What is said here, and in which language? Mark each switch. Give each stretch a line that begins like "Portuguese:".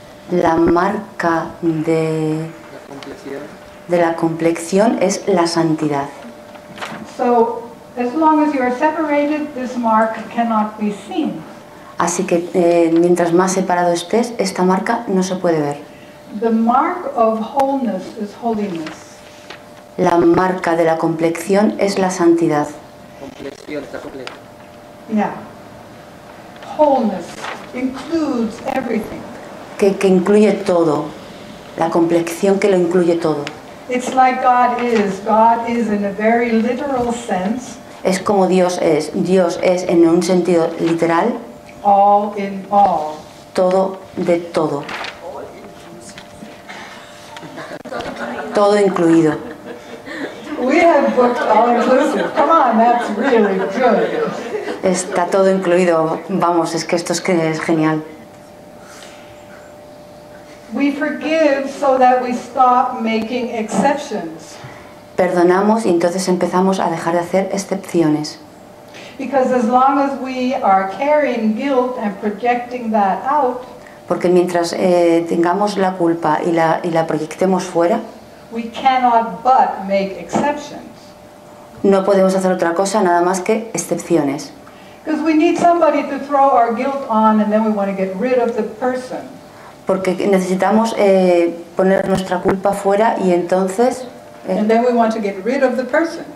Spanish: La marca de la complexión es la santidad.
English: So, as long as you are separated, this mark cannot be seen.
Spanish: Así que mientras más separado estés, esta marca no se puede ver.
English: The mark of wholeness is holiness.
Spanish: La marca de la complexión es la santidad. Complexión está completa.
English: Yeah. Wholeness includes everything.
Spanish: Que incluye todo. La complexión que lo incluye todo.
English: It's like God is. God is in a very literal sense.
Spanish: Es como Dios es. Dios es en un sentido literal.
English: All in all.
Spanish: Todo de todo. Todo incluido.
English: We have booked all inclusive. Come on, that's really good.
Spanish: Está todo incluido. Vamos, es que esto es genial.
English: We forgive so that we stop making exceptions.
Spanish: Perdonamos y entonces empezamos a dejar de hacer excepciones.
English: Because as long as we are carrying guilt and projecting that out,
Spanish: porque mientras tengamos la culpa y la proyectemos fuera,
English: we cannot but make exceptions.
Spanish: No podemos hacer otra cosa nada más que excepciones.
English: Because we need somebody to throw our guilt on and then we want to get rid of the person.
Spanish: Porque necesitamos poner nuestra culpa fuera y entonces
English: and then we want to get rid of the person.